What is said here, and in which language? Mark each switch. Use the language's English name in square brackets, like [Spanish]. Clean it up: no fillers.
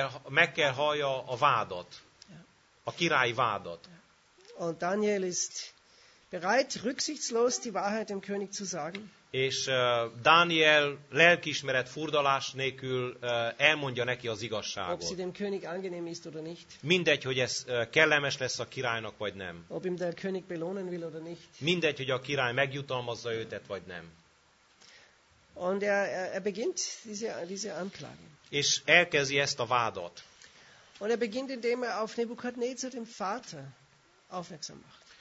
[Hungarian] Meg kell hallja a vádat, a királyi vádat. [German] Und Daniel ist bereit, rücksichtslos die Wahrheit dem König zu sagen. [Hungarian] És Dániel lelkiismeret furdalás nélkül elmondja neki az igazságot. [German] Ob sie dem König angenehm ist oder nicht. [Hungarian] Mindegy, hogy ez kellemes lesz a királynak, vagy nem. [German] Ob ihm der König belohnen will oder nicht. [Hungarian] Mindegy, hogy a király megjutalmazza őtet, vagy nem. [German] Und er beginnt diese Anklage. [Hungarian] És elkezdi ezt a vádat. [German] Und er beginnt, indem er auf Nebukadnezar, dem Vater, aufmerksam macht.